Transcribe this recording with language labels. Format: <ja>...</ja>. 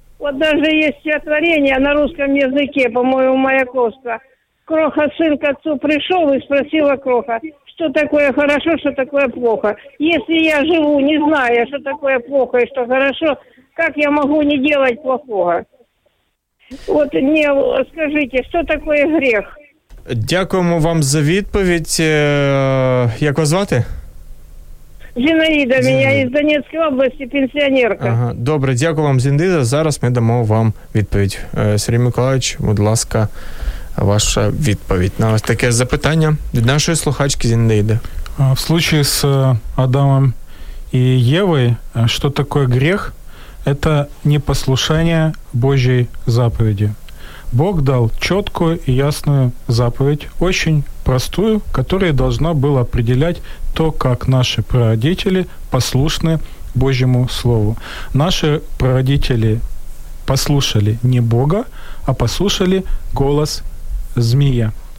<ru>Вот даже есть стихотворение на русском языке, по-моему, Маяковского. Кроха сын к отцу пришел и спросила кроха, что такое хорошо, что такое плохо. Если я живу, не зная, что такое плохо и что хорошо, как я могу не делать плохого?</ru> <uk>От мені скажіть, що таке гріх? Дякуємо вам за відповідь. Як вас звати? Зінаїда, я із Донецької області, пенсіонерка. Ага. Добре, дякую вам, Зінаїда. Зараз ми дамо вам відповідь. Сергій Миколаївич, будь ласка, ваша відповідь на ось таке запитання від нашої слухачки Зінаїди.</uk> <ru>В случае</ru> <uk>з Адамом і Євою, що таке гріх?</uk> <ru>Это непослушание Божьей заповеди. Бог дал четкую и ясную заповедь, очень простую, которая должна была определять то, как наши прародители послушны Божьему Слову. Наши прародители послушали не Бога, а послушали голос змея.</ru>